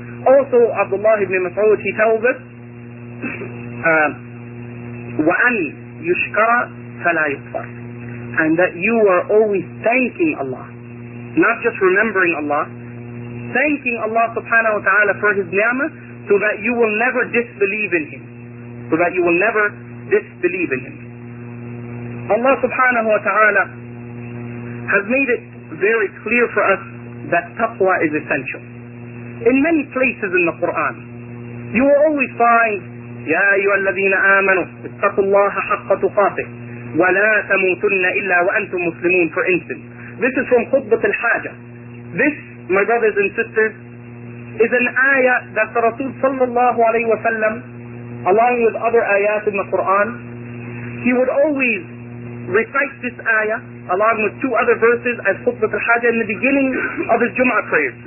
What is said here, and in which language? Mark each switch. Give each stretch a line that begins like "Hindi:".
English: Also, Abdullah ibn Mas'ud, he tells us,
Arabic: وَأَنْ يُشْكَرَ فَلَا يُكْفَرْ,
English: and that you are always thanking Allah, not just remembering Allah, thanking Allah subhanahu wa ta'ala for His ni'mah, so that you will never disbelieve in Him, so that you will never disbelieve in Him. Allah subhanahu wa ta'ala has made it very clear for us that taqwa is essential. In many places in the Quran, you will always find,
Arabic: يَا أَيُّهَا الَّذِينَ آمَنُوا اتَّقُوا اللَّهَ حَقَّ تُقَاتِهِ وَلَا تَمُوتُنَّ إِلَّا وَأَنْتُمْ مُسْلِمُونَ.
English: For instance, this is from خُطْبَةِ الْحَاجَةِ. This, my brothers and sisters, is an ayah that the Rasul sallallahu alayhi wa sallam, along with other ayahs in the Quran, he would always recite this ayah along with two other verses as خُطْبَةِ الْحَاجَةِ in the beginning of his Jum'ah prayers.